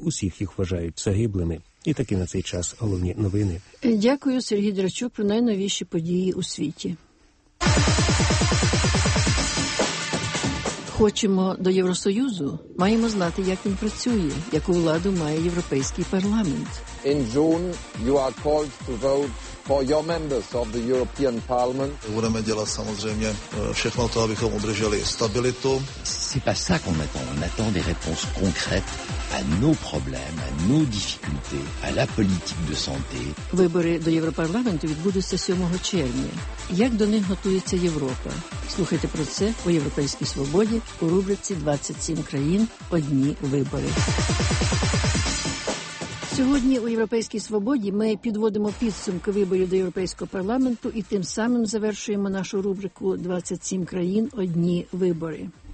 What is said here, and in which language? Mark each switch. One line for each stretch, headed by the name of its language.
Ukrainian: Усіх їх вважають загиблими. І такі на цей час головні новини. Дякую, Сергій Драчук, про найновіші події у світі. Хочемо до Євросоюзу, маємо знати, як він працює, яку владу має Європейський парламент.
English: In June you are called to vote for your members of the European Parliament.
Czech: Budeme dělat samozřejmě všechno to, abychom udrželi stabilitu.
French: C'est pas ça qu'on attend, on attend des réponses concrètes à nos problèmes, à nos difficultés, à la politique de santé.
Ukrainian: Вибори до Європарламенту відбудуться 7 червня. Як до них готується Європа? Слухайте про це у Європейській Свободі у рубриці «27 країн. Одні вибори». Сьогодні у Європейській Свободі ми підводимо підсумки виборів до Європейського парламенту і тим самим завершуємо нашу рубрику «27 країн. Одні вибори».